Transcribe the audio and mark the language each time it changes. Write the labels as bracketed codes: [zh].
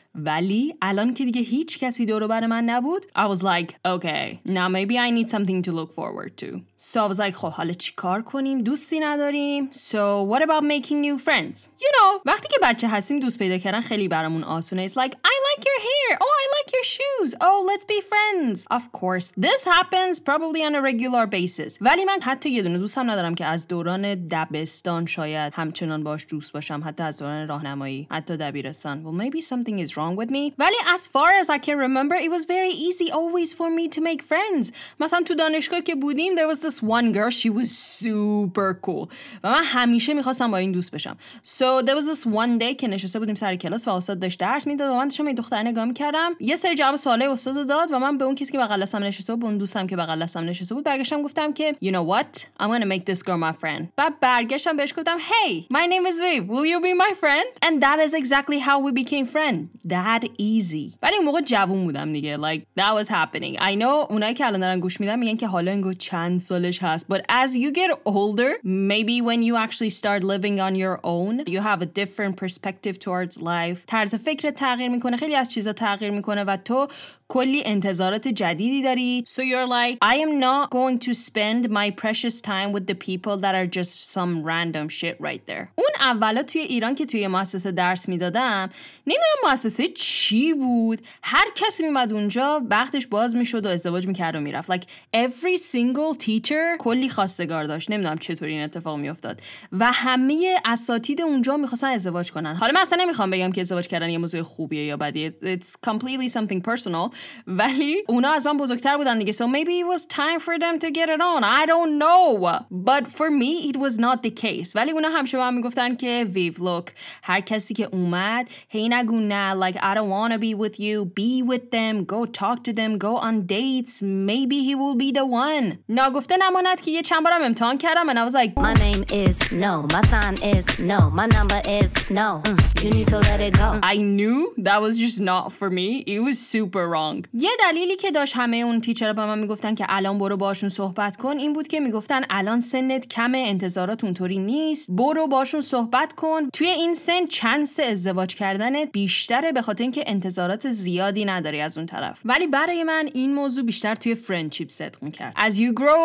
[fa] ولی الان که دیگه هیچ کسی دور و بر من نبود, [en] I was like okay now maybe I need something to look forward to. So I was like [fa] خب حالا چی کار کنیم, دوستی نداریم, [en] so what about making new friends, you know, [fa] وقتی که بچه هستیم دوست پیدا کردن خیلی برامون آسونه. [en] It's like I like your hair, oh I like your shoes, oh let's be friends. Of course this happens probably on a regular basis, [fa] ولی من حتی یه دونه دوستم ندارم که از دوران دبستان شاید همچنان باش دوست باشم, حتی از دوران راهنمایی, حتی دبیرستان. [en] Well maybe something is wrong with me. [fa] ولی [en] as far as I can remember it was very easy always for me to make friends. [fa] مثلا تو دانشگاه که بودیم [en] there was this one girl, she was super cool [fa] و من همیشه میخواستم با این دوست بشم. [en] So there was this one day [fa] که نشسته بودیم سر کلاس و استاد داشت درس میداد و من داشتم این دختر نگاه میکردم, یه سری جواب سوالای استاد داد و من به اون کسی که بغلسم نشسته بود, به اون دوستم که بغلسم نشسته بود, برگشتم گفتم که [en] you know what I'm gonna make this girl my friend. [fa] بعد برگشتم بهش گفتم [en] hey my name is Viv, will you be my friend, and that is exactly how we became friend. That easy. [fa] ولی اون موقع جوون بودم دیگه. [en] Like, that was happening. I know [fa] اونایی که الان دارن گوش میدن میگن که حالا اینگو چند سالش هست. [en] But as you get older, maybe when you actually start living on your own, you have a different perspective towards life. [fa] طرز فکر تغییر میکنه. خیلی از چیزا تغییر میکنه و تو کلی انتظارات جدیدی داری. [en] So you're like, I am not going to spend my precious time with the people that are just some random shit right there. [fa] اون اولا توی ایران که توی مؤسسه درس میدادم, نمیدونم مؤسسه چی بود, هر کسی میمد اونجا بختش باز میشد و ازدواج میکرد و میرفت. [en] Like every single teacher [fa] کلی خواستگار داشت, نمیدونم چطور این اتفاق میافتاد, و همه اساتید اونجا میخواستن ازدواج کنن. حالا من اصلا نمیخوام بگم که ازدواج کردن یه موضوع خوبیه یا بدیه, [en] it's completely something personal, [fa] ولی اونا از من بزرگتر بودن دیگه, [en] so maybe it was time for them to get get it on. I don't know. But for me it was not the case. [fa] ولی اونا همشه من میگفتن که ویف لوک هر کسی که اومد هی نگو نه. [en] Like I don't wanna be with you. Be with them. Go talk to them. Go on dates. Maybe he will be the one. [fa] ناگفته نماند که یه چند بارم امتحان کردم [en] and I was like My name is no. My sign is no. My number is no. You need to let it go. I knew that was just not for me. It was super wrong. [fa] یه دلیلی که داشت همه اون تیچر با من میگفتن که الان برو باشون صحبت کن این بود که میگفتن الان سنت کمه انتظارات اونطوری نیست برو باشون صحبت کن توی این سن چانس ازدواج کردنت بیشتره به خاطر اینکه انتظارات زیادی نداری از اون طرف ولی برای من این موضوع بیشتر توی فرندشیپ صدق میکرد [en] As you grow